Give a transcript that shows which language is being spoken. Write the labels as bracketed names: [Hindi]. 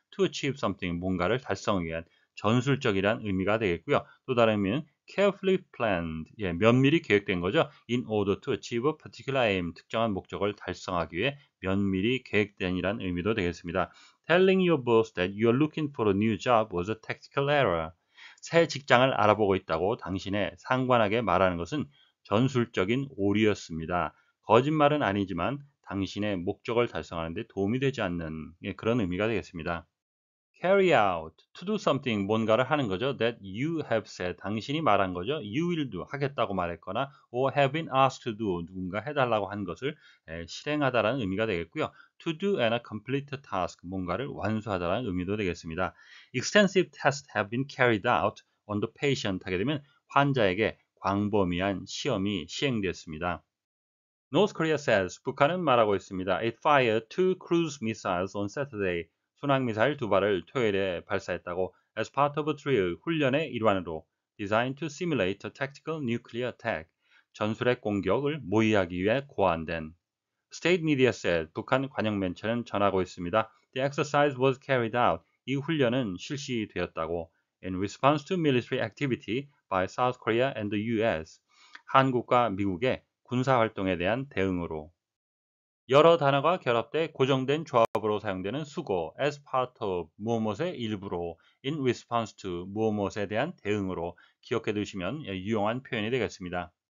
[English] To achieve something, [Korean] 뭔가를 달성하기 위한 전술적이란 의미가 되겠고요. 또 다른 의미는 [English] carefully planned, [Korean] 예, 면밀히 계획된 거죠. [English] In order to achieve a particular aim, [Korean] 특정한 목적을 달성하기 위해 면밀히 계획된이란 의미도 되겠습니다. [English] Telling your boss that you are looking for a new job was a tactical error. [Korean] 새 직장을 알아보고 있다고 당신의 상관에게 말하는 것은 전술적인 오류였습니다. 거짓말은 아니지만 당신의 목적을 달성하는 데 도움이 되지 않는 예, 그런 의미가 되겠습니다. [English] Carry out, to do something, [Korean] 뭔가를 하는 거죠. [English] That you have said, [Korean] 당신이 말한 거죠. [English] You will do, [Korean] 하겠다고 말했거나 [English] or have been asked to do, [Korean] 누군가 해달라고 한 것을 실행하다라는 의미가 되겠고요. [English] To do and a complete task, [Korean] 뭔가를 완수하다라는 의미도 되겠습니다. [English] Extensive tests have been carried out on the patient [Korean] 하게 되면 환자에게 광범위한 시험이 시행되었습니다. [English] North Korea says, [Korean] 북한은 말하고 있습니다. [English] It fired two cruise missiles on Saturday. [Korean] 순항미사일 두 발을 토요일에 발사했다고 [English] as part of a drill, [Korean] 훈련의 일환으로 [English] designed to simulate a tactical nuclear attack. [Korean] 전술핵 공격을 모의하기 위해 고안된. [English] State media said [Korean] 북한 관영 매체는 전하고 있습니다. [English] The exercise was carried out. [Korean] 이 훈련은 실시되었다고. [English] In response to military activity by South Korea and the US. [Korean] 한국과 미국의 군사 활동에 대한 대응으로. 여러 단어가 결합돼 고정된 조합으로 사용되는 수거 [English] as part of [Korean] 무엇의 일부로 [English] in response to [Korean] 무엇에 대한 대응으로 기억해 두시면 유용한 표현이 되겠습니다.